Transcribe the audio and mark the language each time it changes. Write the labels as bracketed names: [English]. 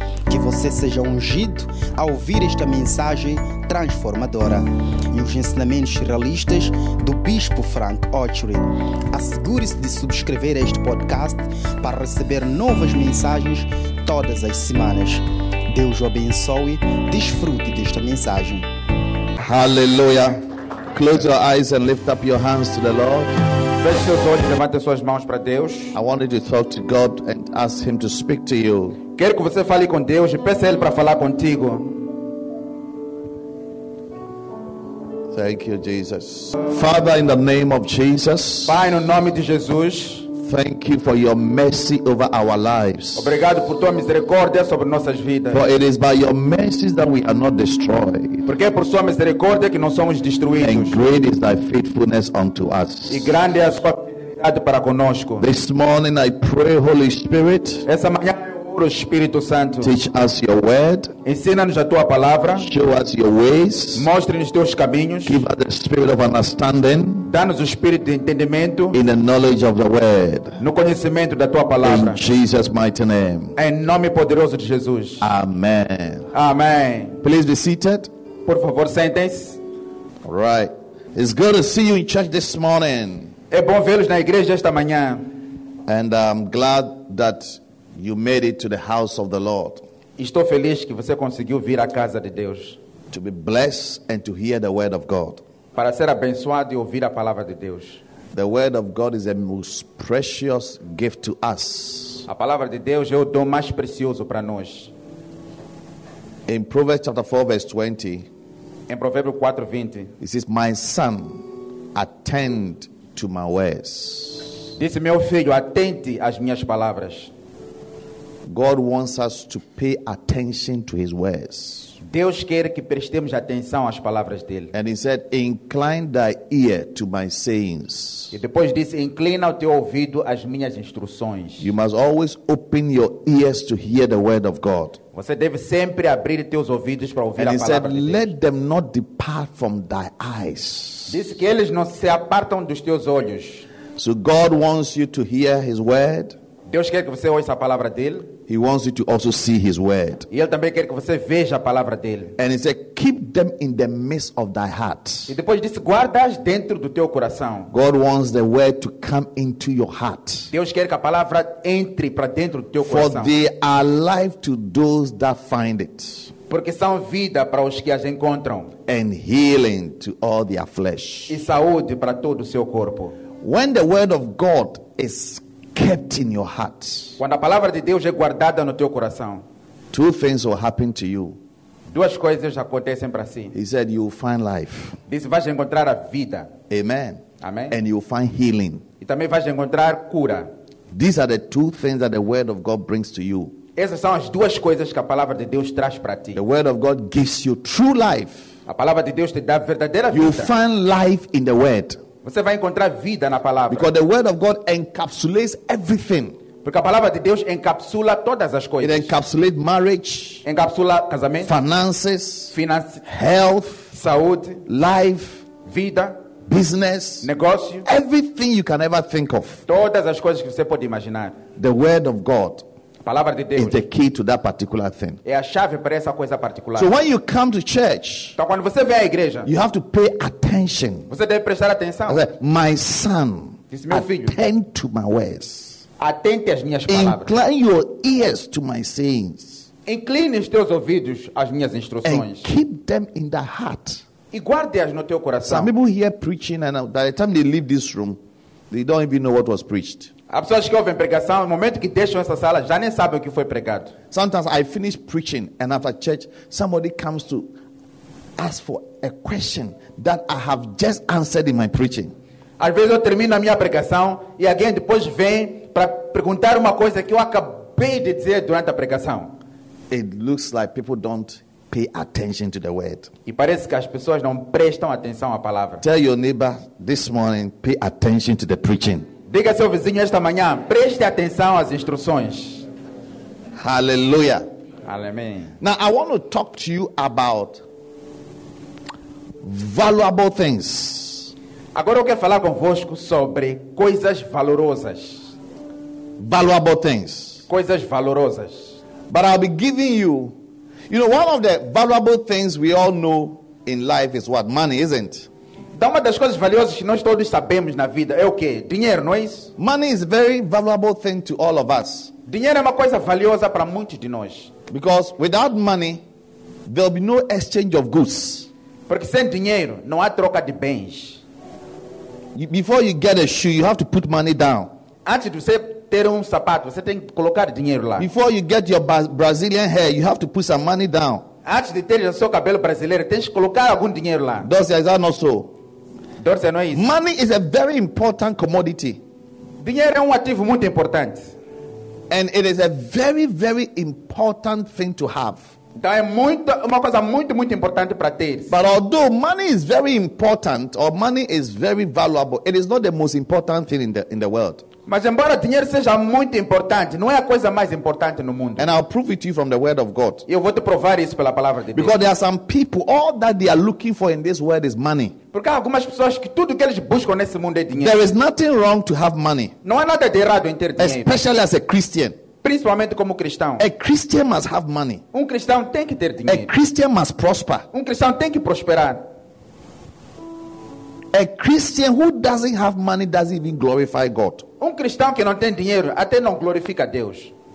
[Portuguese] Que você seja ungido a ouvir esta mensagem transformadora e os ensinamentos realistas do Bispo Frank Ochoa. Assegure-se de subscrever este podcast para receber novas mensagens todas as semanas. Deus o abençoe. Desfrute desta mensagem. Aleluia. [English] Close your eyes and lift up your hands to the Lord. [Portuguese] Feche seus olhos e levante suas mãos para Deus. [English] I wanted to talk to God and ask Him to speak to you. [Portuguese] Quero que você fale com Deus e peça Ele para falar contigo. [English] Thank you, Jesus. Father, in the name of Jesus. [Portuguese] Pai, no nome de Jesus. [English] Thank you for your mercy over our lives. [Portuguese] Obrigado por tua misericórdia sobre nossas vidas. [English] For it is by your mercies that we are not destroyed. [Portuguese] Porque é por sua misericórdia que não somos destruídos. [English] And great is thy faithfulness unto us. [Portuguese] E grande é a sua fidelidade para conosco. [English] This morning I pray, Holy Spirit. [Portuguese] Essa manhã eu oro, Espírito Santo. [English] Teach us your word. [Portuguese] Ensina-nos a tua palavra. [English] Show us your ways. [Portuguese] Mostre-nos teus caminhos. [English] Give us the spirit of understanding. [Portuguese] Dá-nos o espírito de entendimento. [English] In the knowledge of the word. [Portuguese] No conhecimento da tua palavra. [English] In Jesus' mighty name. [Portuguese] Em nome poderoso de Jesus. [English] Amen. Amen. Please be seated. [Portuguese] Por favor, sentem-se. [English] All right. It's good to see you in church this morning. [Portuguese] É bom vê-los na igreja esta manhã. [English] And I'm glad that you made it to the house of the Lord. [Portuguese] Estou feliz que você conseguiu vir à casa de Deus. [English] To be blessed and to hear the word of God. [Portuguese] Para ser abençoado e ouvir a palavra de Deus. [English] The word of God is a most precious gift to us. [Portuguese] A palavra de Deus é o dom mais precioso para nós. [English] In Proverbs chapter 4 verse 20. [Portuguese] Em Provérbios 4:20. [English] It says, "My son, attend to my words." [Portuguese] Disse meu filho, atente às minhas palavras. [English] God wants us to pay attention to His words. [Portuguese] Deus quer que prestemos atenção às palavras dele. [English] And He said, "Incline thy ear to my sayings." [Portuguese] E depois disse, inclina o teu ouvido às minhas instruções. [English] You must always open your ears to hear the word of God. [Portuguese] Você deve sempre abrir teus ouvidos para ouvir [English] and [Portuguese] a palavra [English] said, [Portuguese] de Deus. [English] And He said, "Let them not depart from thy eyes." [Portuguese] Disse que eles não se apartam dos teus olhos. [English] So God wants you to hear His word. [Portuguese] Deus quer que você ouça a palavra dele. [English] He wants you to also see His word. [Portuguese] E ele também quer que você veja a palavra dele. [English] And He said, "Keep them in the midst of thy heart." [Portuguese] E depois disse, guarda-as dentro do teu coração. [English] God wants the word to come into your heart. [Portuguese] Deus quer que a palavra entre para dentro do teu [English] For [Portuguese] coração. [English] For they are life to those that find it. [Portuguese] Porque são vida para os que as encontram. [English] And healing to all their flesh. [Portuguese] E saúde para todo o seu corpo. [English] When the word of God is kept in your heart. [Portuguese] Quando a palavra de Deus é guardada no teu coração. [English] Two things will happen to you. [Portuguese] Duas coisas acontecem para si. [English] He said you will find life. [Portuguese] Disse, vais encontrar a vida. [English] Amen. [Portuguese] Amém. [English] And you will find healing. [Portuguese] E também vais encontrar cura. [English] These are the two things that the word of God brings to you. [Portuguese] Essas são as duas coisas que a palavra de Deus traz para ti. [English] The word of God gives you true life. [Portuguese] A palavra de Deus te dá verdadeira vida. [English] You will find life in the word. [Portuguese] Você vai encontrar vida na palavra. [English] Because the word of God encapsulates everything. [Portuguese] Porque a palavra de Deus encapsula todas as coisas. [English] It encapsulates marriage. [Portuguese] Encapsula casamento. [English] Finances. [Portuguese] Finanças. [English] Health. [Portuguese] Saúde. [English] Life. [Portuguese] Vida. [English] Business. [Portuguese] Negócio. [English] Everything you can ever think of. [Portuguese] Todas as coisas que você pode imaginar. [English] The word of God. [Portuguese] A palavra de Deus [English] is the key to that particular thing. [Portuguese] É a chave para essa coisa particular. [English] So when you come to church, [Portuguese] então quando você vem à igreja, [English] you have to pay attention. [Portuguese] Você deve prestar atenção. [English] Said, "My son, [Portuguese] disse meu filho, [English] attend to my words. [Portuguese] Atente às minhas palavras. [English] Incline your ears to my sayings. [Portuguese] Incline os teus ouvidos às minhas instruções. [English] And keep them in the heart. [Portuguese] E guarde-as no teu coração." [English] Some people hear preaching and by the time they leave this room, they don't even know what was preached. [Portuguese] Há pessoas que ouvem pregação, no momento que deixam essa sala, já nem sabem o que foi pregado. [English] Sometimes I finish preaching and after church, somebody comes to ask for a question that I have just answered in my preaching. [Portuguese] Às vezes eu termino a minha pregação e alguém depois vem para perguntar uma coisa que eu acabei de dizer durante a pregação. [English] It looks like people don't pay attention to the word. [Portuguese] E parece que as pessoas não prestam atenção à palavra. [English] Tell your neighbor this morning, pay attention to the preaching. [Portuguese] Diga ao seu vizinho esta manhã, preste atenção às instruções. [English] Hallelujah. [Portuguese] Amém. [English] Now I want to talk to you about valuable things. [Portuguese] Agora eu quero falar convosco sobre coisas valorosas. [English] valuable things. [Portuguese] Coisas valorosas. [English] But I'll be giving you, you know, one of the valuable things we all know in life is what? Money, isn't it? [Portuguese] Uma das coisas valiosas que nós todos sabemos na vida é o quê? Dinheiro, não é isso? [English] Money is a very valuable thing to all of us. [Portuguese] Dinheiro é uma coisa valiosa para muitos de nós. [English] Because without money, there'll be no exchange of goods. [Portuguese] Porque sem dinheiro, não há troca de bens. [English] Before you get a shoe, you have to put money down. [Portuguese] Antes de você ter sapato, você tem que colocar dinheiro lá. [English] Before you get your Brazilian hair, you have to put some money down. [Portuguese] Antes de ter o seu cabelo brasileiro, tem que colocar algum dinheiro lá. [English] Dorcia, is that not so? [Portuguese] Dorcia, não é isso? [English] Money is a very important commodity. [Portuguese] Dinheiro é ativo muito importante. [English] And it is a very, very important thing to have. [Portuguese] Então é muito, uma coisa muito, muito importante para ter. [English] But although money is very important, or money is very valuable, it is not the most important thing in the world. [Portuguese] Mas embora dinheiro seja muito importante, não é a coisa mais importante no mundo. [English] And I'll prove it to you from the word of God. [Portuguese] Eu vou te provar isso pela palavra de Deus. [English] Because there are some people, all that they are looking for in this world is money. [Portuguese] Porque há algumas pessoas que tudo que eles buscam nesse mundo é dinheiro. [English] There is nothing wrong to have money. [Portuguese] Não há nada de errado em ter dinheiro. [English] Especially as a Christian. [Portuguese] Principalmente como cristão. [English] A Christian must have money. [Portuguese] Cristão tem que ter dinheiro. [English] A Christian must prosper. [Portuguese] Cristão tem que prosperar. [English] A Christian who doesn't have money doesn't even glorify God. [Portuguese] Cristão que não tem dinheiro até não glorifica Deus.